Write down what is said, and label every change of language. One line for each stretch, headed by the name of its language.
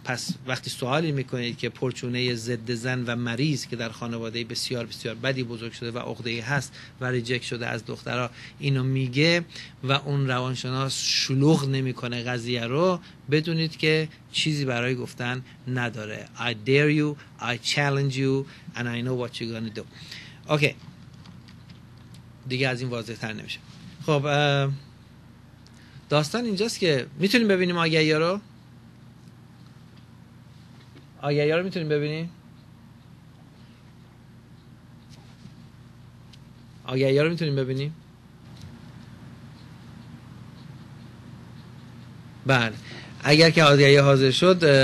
Persian: پس وقتی سوالی میکنید که پرچونه ضد زن و مریض که در خانواده بسیار بسیار بدی بزرگ شده و عقده‌ای هست و ریجکت شده از دخترها اینو میگه و اون روانشناس شلوغ نمیکنه قضیه رو، بدونید که چیزی برای گفتن نداره.
English: I dare you, I challenge you and I know what you're gonna do.
Persian: اوکی. دیگه از این واضح تر نمیشه. خب داستان اینجاست که میتونیم ببینیم آگهی ها رو؟ آگهی ها رو میتونیم ببینیم؟ آگهی ها رو میتونیم ببینیم؟ بله، اگر که آگهی حاضر شد